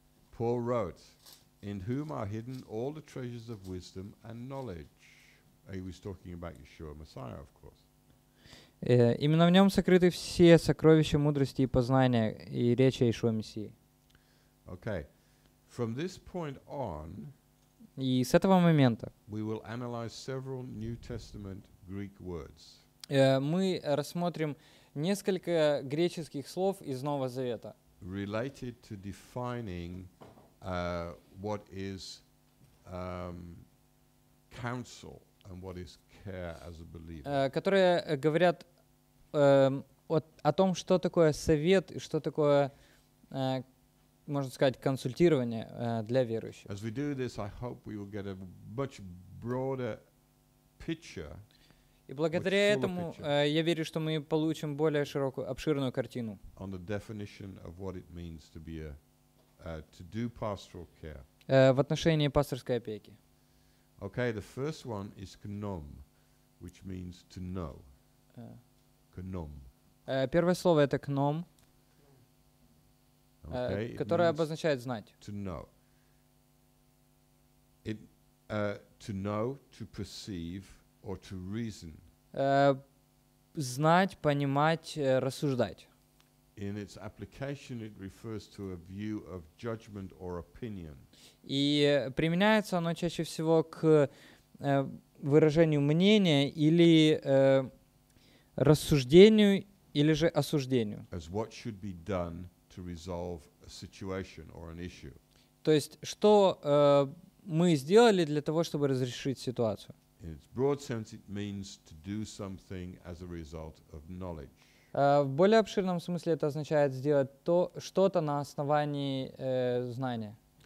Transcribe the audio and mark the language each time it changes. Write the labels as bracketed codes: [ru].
[en] Paul wrote, "In whom are hidden all the treasures of wisdom and knowledge." He was talking about Yeshua, Messiah, of course. [ru] Именно в нем сокрыты все сокровища мудрости и познания и речи Иешуа Мессии. [en] Okay. From this point on, [ru] и с этого момента [en] we will analyze several New Testament Greek words. [ru] Мы рассмотрим несколько греческих слов из Нового Завета, [en] related to defining what is counsel and what is care as a believer. [ru] Которые говорят о том, что такое совет и что такое можно сказать, консультирование для верующих. [en] As we do this, I hope we will get a much broader picture. [ru] И благодаря этому я верю, что мы получим более широкую, обширную картину. [en] On the definition of what it means to be to do pastoral care. [ru] В отношении пасторской опеки. [en] Okay, the first one is gnom, which means to know. Gnom. [ru] Первое слово это gnom. [en] Okay, [ru] которая обозначает знать. [en] To know. It, to know, to perceive, or to reason. [ru] Знать, понимать, рассуждать. [en] In its application, it refers to a view of judgment or opinion. [ru] И применяется оно чаще всего к выражению мнения или рассуждению или же осуждению. [en] As what should be done to resolve situation or an issue. [ru] То есть что мы сделали для того, чтобы разрешить ситуацию? [en] In its broad sense, it means to do something as a result of knowledge. [ru] В более обширном смысле это означает сделать то, что-то на основании знания.